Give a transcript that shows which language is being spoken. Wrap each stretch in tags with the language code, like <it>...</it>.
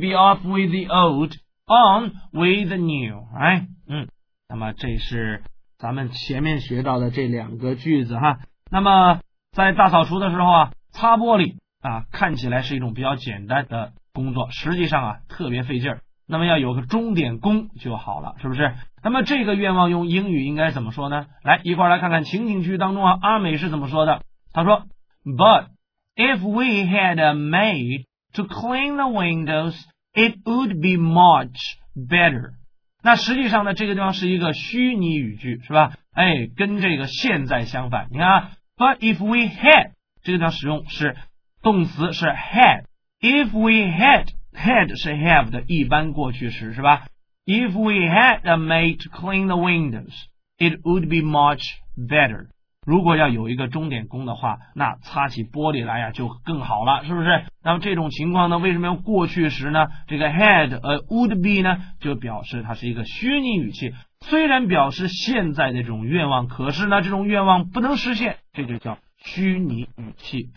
<en>Be off with the old, on with the new, right?</en> <zh>嗯，那么这是咱们前面学到的这两个句子哈。那么在大扫除的时候啊，擦玻璃啊，看起来是一种比较简单的工作，实际上啊特别费劲儿。那么要有个钟点工就好了，是不是？那么这个愿望用英语应该怎么说呢？来，一块来看看情景剧当中啊，阿美是怎么说的？他说</zh> <en>：“But if we had a maid to clean the windows, it would be much better。”</en> <zh>那实际上呢，这个地方是一个虚拟语句，是吧？哎，跟这个现在相反。你看 ，</zh> <en>But if we had</en> <zh>这个地方使用是动词是 had。</zh> <en>If we had。</en> <zh>Had 是 have 的一般过去时，是吧？</zh> <en>If we had a maid to clean the windows, it would be much better.</en> <zh>如果要有一个钟点工的话，那擦起玻璃来呀就更好了，是不是？那么这种情况呢，为什么要过去时呢？这个</zh> <en>had would be</en> <zh>呢，就表示它是一个虚拟语气，虽然表示现在的这种愿望，可是呢这种愿望不能实现，这就叫虚拟语气。</zh>